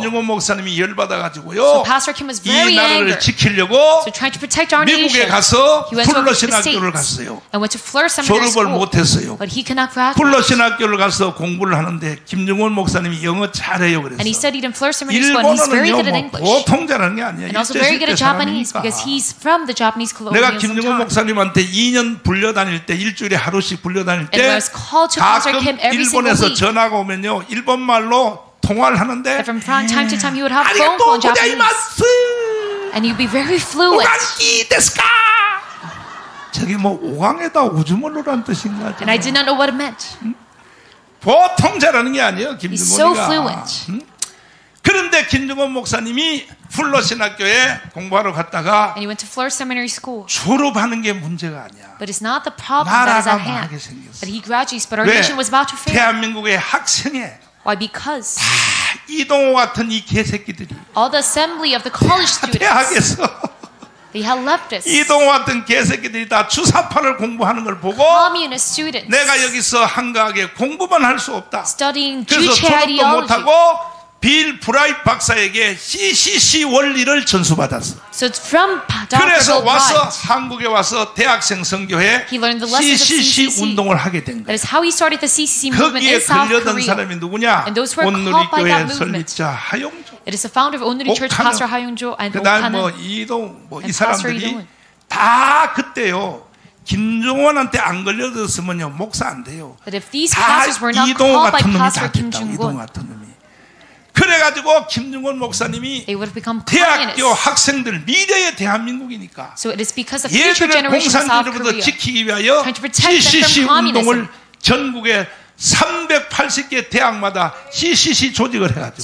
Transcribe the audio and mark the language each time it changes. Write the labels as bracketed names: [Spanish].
[Korean] 김중호 목사님이 열 받아가지고요. [English] So Pastor Kim was very angry. [Korean] 이 나라를 지키려고 [English] so trying to protect our nation. [Korean] 미국에 가서 플러 신학교를 갔어요. [English] And went to Fuller Seminary [Korean] 졸업을 못했어요. [English] But he cannot graduate. [Korean] 플러 신학교를 가서 공부를 하는데 김중호 목사님이 영어 잘해요. 그래서 [English] And he studied in Fuller Seminary School. And he's very good at English. [Korean] 보통 잘하는 게 아니야. [English] And also very good at Japanese because he's from the Japanese colonial. [Korean] 내가 김중호 목사님한테 2년 불려다닐 때 일주일에 하루씩 불려 다닐 때 가끔 일본에서 전화가 오면요 일본 말로 통화를 하는데 [Japanese] 아리가토 고자이마스 [English] and you'd be very fluent. [Japanese] 오강기 데스카 [Korean] 저게 뭐 오강에다 오줌을 놓으란 뜻인가? [English] And I did not know what it meant. [Korean] 보통 잘하는 게 아니에요, 김준범 목사님. [English] He's so fluent. [Korean] 그런데 김준범 목사님이 플러 신학교에 공부하러 갔다가 [English] And he went to Flores Seminary School. [Korean] 졸업하는 게 문제가 아니야. [English] But it's not the problem that is at hand. [Korean] 나라가 망하게 생겼어. [English] But he graduates, but our nation was about to fail. [Korean] 대한민국의 학생에 [English] Why? Because [Korean] 이동호 같은 이 개새끼들이 [English] All the assembly of the college students. [Korean] 대학에서 [English] They had leftists. [Korean] 이동호 같은 개새끼들이 다 주사파를 공부하는 걸 보고 [English] Communist students. [Korean] 내가 여기서 한가하게 공부만 할 수 없다. [English] Studying [Korean] 그래서 졸업도 못하고 빌 브라이트 박사에게 CCC 원리를 전수받았어. [English] So from Dr. [Korean] 그래서 와서 한국에 와서 대학생 선교회 CCC 운동을 하게 된 거야. [English] That is how he started the CCC movement in South Korea. [Korean] 거기에 걸려든 사람이 누구냐? [English] And those who were caught by that movement. [Korean] 온누리교회 설립자 하용조. [English] It is the founder of Onuri Church, Pastor Hayongjo, and [Korean] 그다음 뭐 이동 뭐 이 사람들이 다 그때요. 김종원한테 안 걸려들었으면요 목사 안 돼요. [English] But if these pastors were not caught by Pastor Kim Jong-un. [Korean] 그래가지고 김중원 목사님이 대학교 학생들 미래의 대한민국이니까 [English] so it is because the future generation [Korean] 얘들을 공산주의로부터 지키기 위하여 CCC 운동을 전국에 380개 대학마다 CCC 조직을 해가지고